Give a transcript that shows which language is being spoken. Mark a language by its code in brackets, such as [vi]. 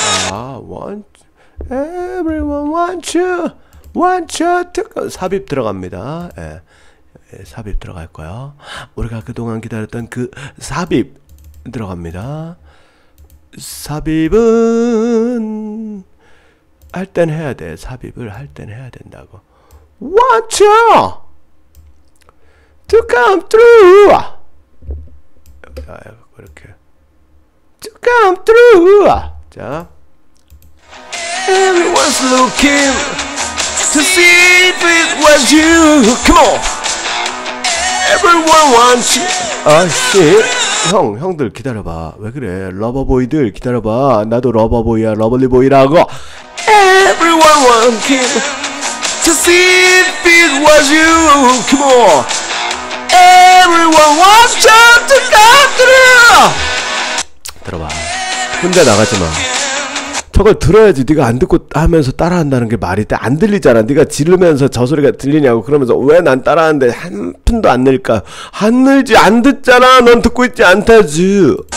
[en] 아, want everyone want you to come. [ko] 삽입 들어갑니다. 예. 예, 삽입 들어갈 거요. 우리가 그동안 기다렸던 그 삽입 들어갑니다. 삽입은 할 땐 해야 돼. 삽입을 할 땐 해야 된다고. [en] Want you to come through. [ko] 자, 이렇게 [en] To come through. 자, Everyone's looking to see if it was you. Come on. Everyone wants you. [ko] 아씨, 형, 형들 기다려봐. 왜 그래? 러버보이들 기다려봐. 나도 러버보이야. 러블리보이라고. [en] Everyone wants you to see if it was you. Come on. Everyone wants you to come through. [ko] 들어봐. 혼자 나가지 마. 저걸 들어야지. 네가 안 듣고 하면서 따라한다는 게 말이 돼? 안 들리잖아. 네가 지르면서 저 소리가 들리냐고. 그러면서 왜 난 따라하는데 한 푼도 안 늘까? 안 늘지. 안 듣잖아. 넌 듣고 있지 않다지.